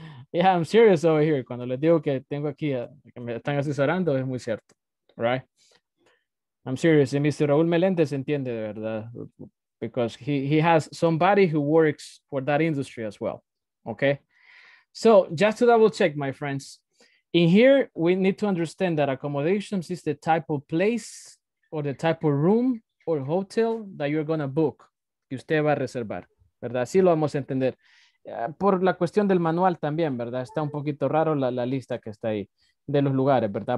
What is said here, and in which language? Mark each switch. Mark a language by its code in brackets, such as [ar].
[en] Yeah, I'm serious over here. [es] Cuando les digo que tengo aquí, que me están asesorando, es muy cierto. [en] Right? I'm serious. [es] Y Mr. Raúl Meléndez entiende de verdad. [en] Because he has somebody who works for that industry as well. Okay. So just to double check, my friends, in here, we need to understand that accommodations is the type of place or the type of room or hotel that you're going to book, [es] que usted va a reservar, ¿verdad? Así lo vamos a entender. Por la cuestión del manual también, ¿verdad? Está un poquito raro la lista que está ahí de los lugares, ¿verdad?